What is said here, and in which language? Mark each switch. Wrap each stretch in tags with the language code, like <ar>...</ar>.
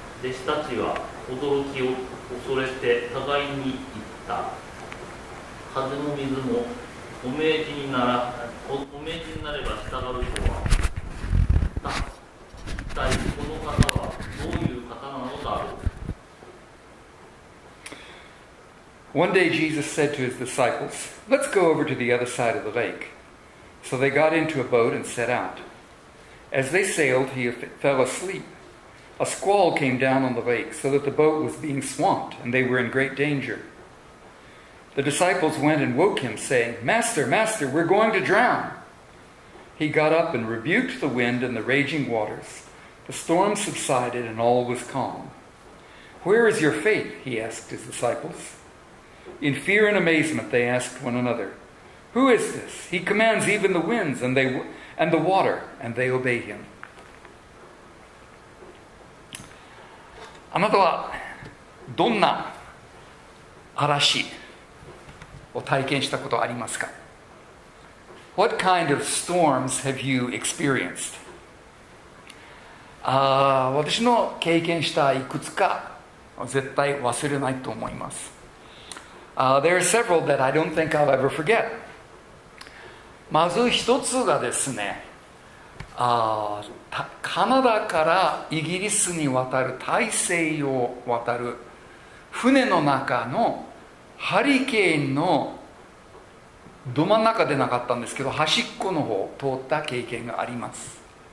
<ja>弟子たちは驚きを恐れて互いに言った。風も水もお命じになら、お命じになれば従うとは言った。一体この方はどういう方なのだろう。</ja> <en>One day Jesus said to his disciples, "Let's go over to the other side of the lake." So they got into a boat and set out. As they sailed, he fell asleep. A squall came down on the lake so that the boat was being swamped and they were in great danger. The disciples went and woke him, saying, "Master, Master, we're going to drown." He got up and rebuked the wind and the raging waters. The storm subsided and all was calm. "Where is your faith?" he asked his disciples. In fear and amazement, they asked one another, "Who is this? He commands even the winds and the water, and they obey him."</en> <ja>あなたはどんな嵐を体験したことありますか?</ja> <en>What kind of storms have you experienced?</en> <ja>私の経験したいくつか絶対忘れないと思います。</ja> <en>There are several that I don't think I'll ever forget.</en> <ja>まず一つがですね、カナダからイギリスに渡る大西洋を渡る船の中のハリケーンのど真ん中でなかったんですけど、端っこの方を通った経験があります。</ja>